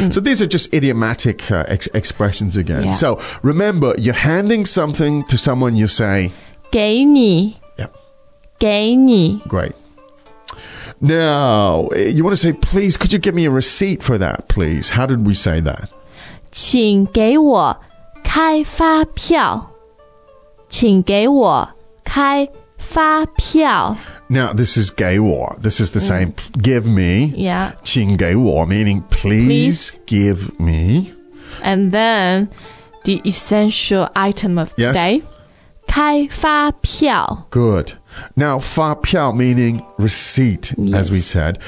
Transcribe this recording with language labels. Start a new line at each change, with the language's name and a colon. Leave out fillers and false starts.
English: So these are just idiomatic expressions again. Yeah. So remember, you're handing something to someone, you say
Chinese: 给你.
English: Yeah. Great. Now, you want to say, please, could you give me a receipt for that, please? How did we say that?
Chinese: 请给我 开发票，请给我开发票。
English: Now, this is
Chinese: 给我
English: This is the same. Give me. Yeah.
Chinese: 请给我
English: meaning please give me. And then the essential item of today. Yes.
Chinese: 开发票。
English: Good. Now, 发票 meaning receipt, as we said.